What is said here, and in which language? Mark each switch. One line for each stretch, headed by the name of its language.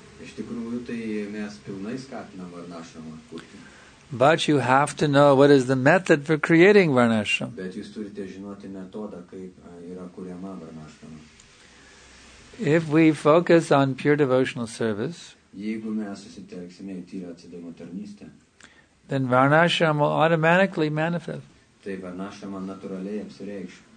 Lithuanian: Iš tikrųjų, tai mes pilnai skatinam Varnashrama kurti.
English: But you have to know what is the method for creating Varnashrama.
Lithuanian: Bet jūs turite žinoti metodą, kaip yra kuriama Varnashrama.
English: If we focus on pure devotional service,
Lithuanian: jeigu mes susitelksime į tyrą atsidavimo tarnystę,
English: then Varnashrama will automatically manifest.
Lithuanian: Tai Varnashrama natūraliai apsireikš.